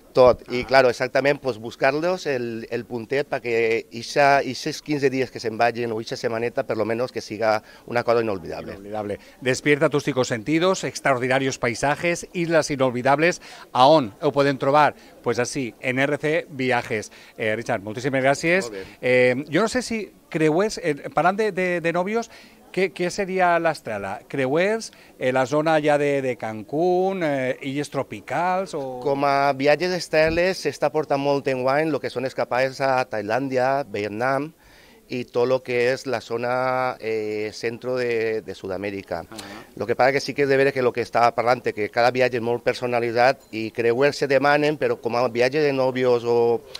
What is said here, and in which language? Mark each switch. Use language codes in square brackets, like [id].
[ca] Tot, i claro, exactament, pues, buscar-los el puntet perquè aquests 15 dies que se'n vagin o aquesta setmaneta, per lo menos, que siga una cosa inolvidable. [es] Inolvidable. Despierta tus cinco sentidos, extraordinarios paisajes, islas inolvidables, [ca] a on ho podem trobar? [es] Pues así, en RC Viajes. [ca] Richard, moltíssimes gràcies. Jo no sé si creues, parlant de novios, [es] ¿Qué sería la estrella? [ca] ¿Creuers? ¿La zona ya de Cancún? ¿Illes tropicals? O... Com a viatges estrelles s'està portant molt en guany el que són escapades a Tailàndia, Vietnam i tot el que és la zona centro de Sud-amèrica. El que passa que sí que és de veure que el que estava parlant que cada viatge és molt personalitzat i creuers se demanen, però com a viatge de novios o...